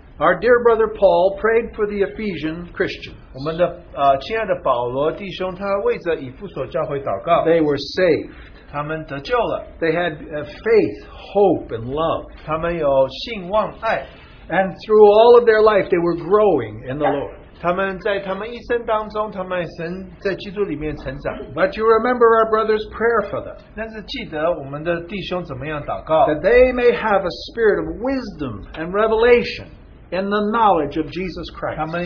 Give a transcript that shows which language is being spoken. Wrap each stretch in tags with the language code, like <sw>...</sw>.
<en>Our dear brother Paul prayed for the Ephesian Christians. They were saved. They had faith, hope, and love. And through all of their life, they were growing in the Lord.</en> <zh>他们在他们一生当中，他们神在基督里面成长。</zh> <en>But you remember our brother's prayer for them.</en> <zh>但是记得我们的弟兄怎么样祷告。</zh> <en>That they may have a spirit of wisdom and revelation in the knowledge of Jesus Christ.</en>